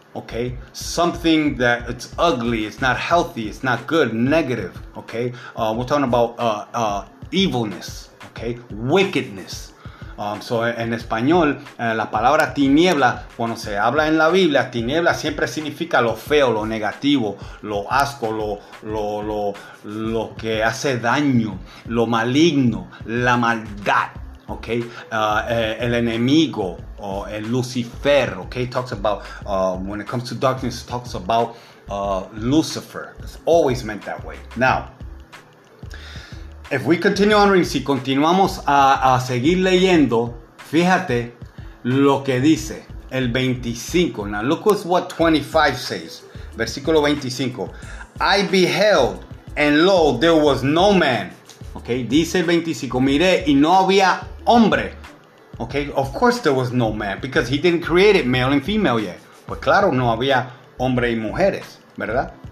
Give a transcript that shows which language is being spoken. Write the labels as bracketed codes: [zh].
[en] Okay, something that it's ugly, it's not healthy, it's not good, negative, okay? We're talking about evilness, okay? Wickedness. [es] So, en español, la palabra tiniebla, cuando se habla en la Biblia, tiniebla siempre significa lo feo, lo negativo, lo asco, lo que hace daño, lo maligno, la maldad. [en] Okay, el enemigo, or el Lucifer, okay, talks about, when it comes to darkness, talks about Lucifer. It's always meant that way. Now, if we continue on reading, si continuamos a seguir leyendo, fíjate lo que dice el 25. Now, look at what 25 says, versículo 25. I beheld, and lo, there was no man. [es] Okay, dice el 25, miré y no había hombre. [en] Okay, of course there was no man because he didn't create it male and female yet. [es] Pues claro, no había hombre y mujeres, ¿verdad?